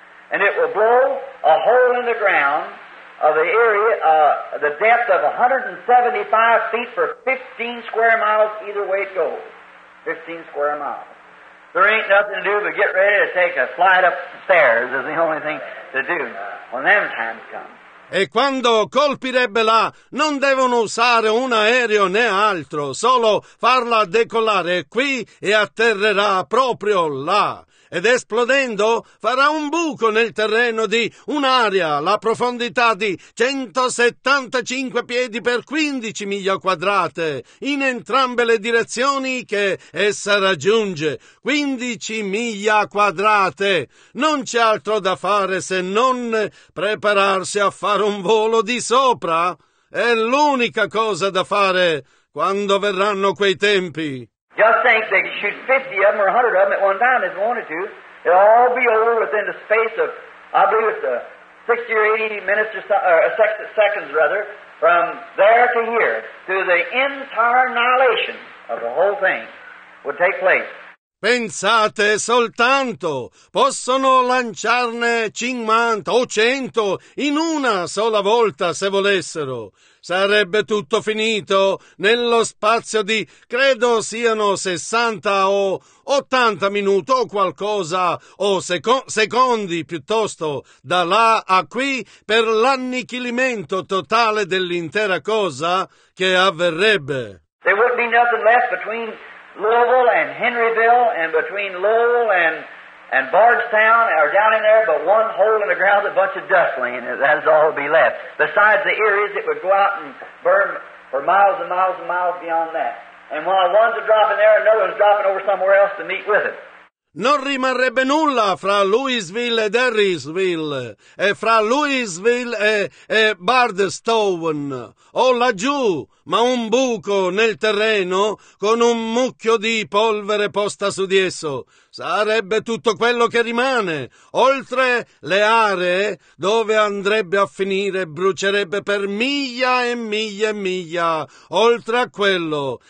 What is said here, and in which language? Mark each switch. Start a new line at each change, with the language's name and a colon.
English: And it will blow a hole in the ground of the area, the depth of 175 feet for 15 square miles either way it goes. 15 square miles. There ain't nothing to do but get ready to take a flight upstairs is the only thing to do when them times come.
Italian: E quando colpirebbe là, non devono usare un aereo né altro, solo farla decollare qui e atterrerà proprio là. Ed esplodendo farà un buco nel terreno di un'area, la profondità di 175 piedi per 15 miglia quadrate, in entrambe le direzioni che essa raggiunge, 15 miglia quadrate. Non c'è altro da fare se non prepararsi a fare un volo di sopra. È l'unica cosa da fare quando verranno quei tempi.
English: Just think they could shoot 50 of them or 100 of them at one time if they wanted to. It'll all be over within the space of, I believe it's 60 or 80 minutes or seconds, from there to here, through the entire annihilation of the whole thing would take place.
Italian: Pensate soltanto, possono lanciarne 50 o 100 in una sola volta se volessero. Sarebbe tutto finito nello spazio di, credo siano 60 o 80 minuti o qualcosa, o secondi piuttosto, da là a qui, per l'annichilimento totale dell'intera cosa che avverrebbe.
English: There wouldn't be nothing left between Louisville and Henryville and between Louisville and Bardstown are down in there but one hole in the ground, a bunch of dust laying in it. That's all that'll be left. Besides the areas it would go out and burn for miles and miles and miles beyond that. And while one's dropping there, another one's dropping over somewhere else to meet with it.
Italian: Non rimarrebbe nulla fra Louisville ed Harrisville, e fra Louisville e Bardstown, o laggiù, ma un buco nel terreno con un mucchio di polvere posta su di esso. Sarebbe tutto quello che rimane, oltre le aree dove andrebbe a finire, brucerebbe per miglia e miglia e miglia, oltre a quello.